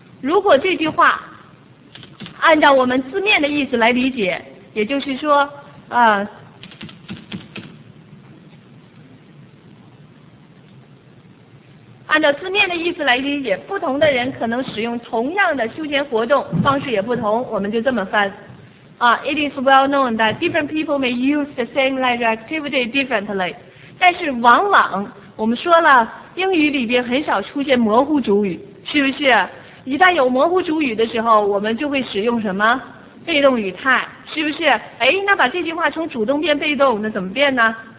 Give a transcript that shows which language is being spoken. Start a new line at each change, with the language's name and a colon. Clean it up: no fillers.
Chinese: 如果这句话按照我们字面的意思来理解，也就是说按照字面的意思来理解，不同的人可能使用同样的休闲活动，方式也不同，我们就这么翻。
English: It is well known that different people may use the same leisure activity differently.
Chinese: 但是往往，我们说了，英语里边很少出现模糊主语，是不是？一旦有模糊主语的时候，我们就会使用什么？被动语态，是不是？哎，那把这句话从主动变被动，那怎么变呢？